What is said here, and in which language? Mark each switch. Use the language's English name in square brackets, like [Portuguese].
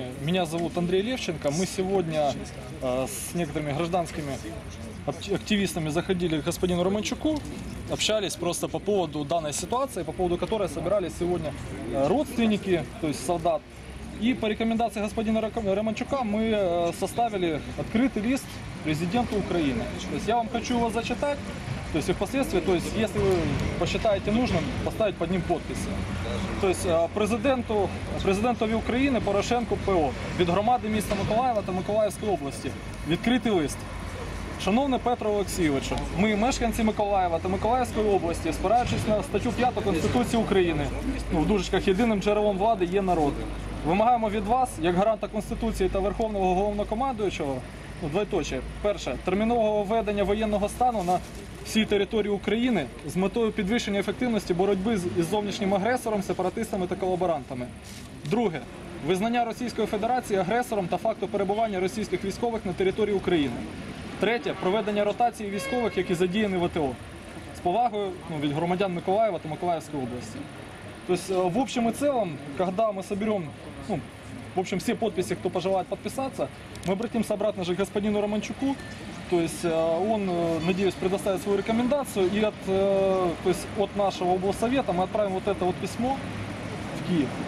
[Russian] Меня зовут Андрей Левченко. Мы сегодня с некоторыми гражданскими активистами заходили к господину Романчуку, общались просто по поводу данной ситуации, по поводу которой собирались сегодня родственники, то есть солдат. И по рекомендации господина Романчука мы составили открытый лист президенту Украины. То есть я вам хочу его зачитать, то есть и впоследствии, то есть если вы посчитаете нужным, поставить под ним подписи. То есть [Ukrainian] президентові України Порошенку ПО від громади міста Миколаєва та Миколаївської області. Відкритий лист. Шановний Петро Олексійовичу, ми, мешканці Миколаєва та Миколаївської області, спираючись на статтю 5 Конституції України, в дужечках єдиним джерелом влади є народ. Вимагаємо від вас, як гаранта Конституції та Верховного Головнокомандуючого, двоєточе, перше, термінового введення воєнного стану на всій території України з метою підвищення ефективності боротьби із зовнішнім агресором, сепаратистами та колаборантами. Друге, визнання Російської Федерації агресором та факту перебування російських військових на території України. Третє, проведення ротації військових, які задіяні в АТО. З повагою від громадян Миколаєва та Миколаївської області. Тобто, [Russian] в общем [Ukrainian] і цілому, коли ми зберемо, в общем, всі підписи, хто бажає підписатися, ми [Russian] обратимся обратно же к господину Романчуку. То есть он, надеюсь, предоставит свою рекомендацию. И от нашего облсовета мы отправим вот это вот письмо в Киев.